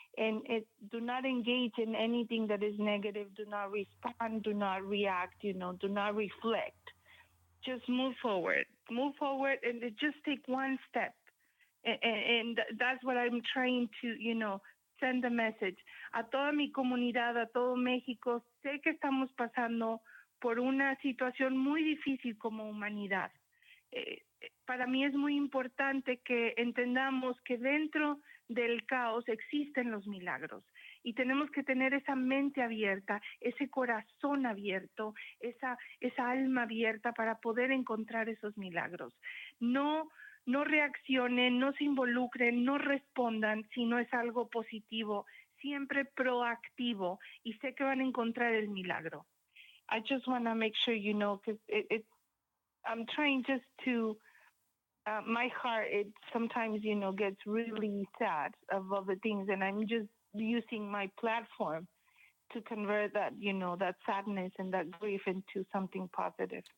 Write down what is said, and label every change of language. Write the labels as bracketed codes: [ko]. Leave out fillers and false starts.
[en] And it, do not engage in anything that is negative. Do not respond. Do not react, you know. Do not reflect. Just move forward. Move forward and just take one step. And that's what I'm trying to, you know, send the message. [es] A toda mi comunidad, a todo México, sé que estamos pasando por una situación muy difícil como humanidad. Para mí es muy importante que entendamos que dentro del caos existen los milagros. Y tenemos que tener esa mente abierta, ese corazón abierto, esa alma abierta para poder encontrar esos milagros. No reaccionen, no se involucren, no respondan si no es algo positivo. Siempre proactivo y sé que van a encontrar el milagro. [en] I just want to make sure you know, because I'm trying just to, my heart, it sometimes, you know, gets really sad of all the things, and I'm just using my platform to convert that, you know, that sadness and that grief into something positive.